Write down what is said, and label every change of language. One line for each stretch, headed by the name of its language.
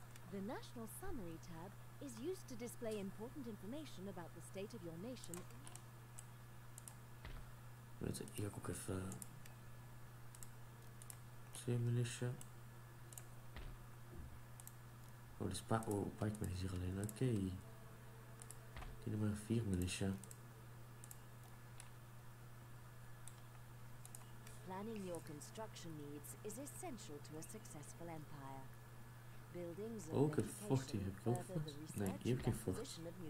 English: The National Summary tab is used to display important information about the state of your nation.
Dutch: Weet ik, hier ook even twee militia. Oh, de pikeman is hier alleen, oké. Die nummer 4 militia.
English: Planning your construction needs is essential to a successful empire.
Dutch: Ook het vocht hier heb ik ook vast. Nee, hier heb ik geen vocht.